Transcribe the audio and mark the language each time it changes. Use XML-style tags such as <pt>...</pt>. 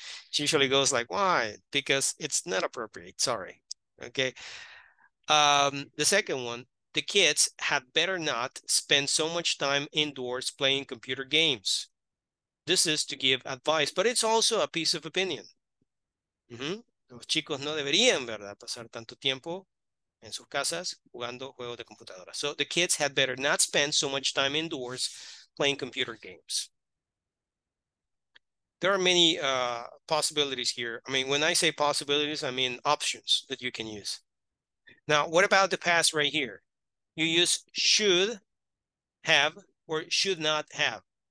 <en>She usually goes like, why? Because it's not appropriate, sorry. Okay, the second one, the kids had better not spend so much time indoors playing computer games. This is to give advice, but it's also a piece of opinion. Mm-hmm.</en> <es>Los chicos no deberían, ¿verdad?, pasar tanto tiempo en sus casas jugando juegos de computadora.</es> <en>So the kids had better not spend so much time indoors playing computer games. There are many possibilities here. I mean, when I say possibilities, I mean options that you can use. Now, what about the past right here? You use should have or should not have.</en>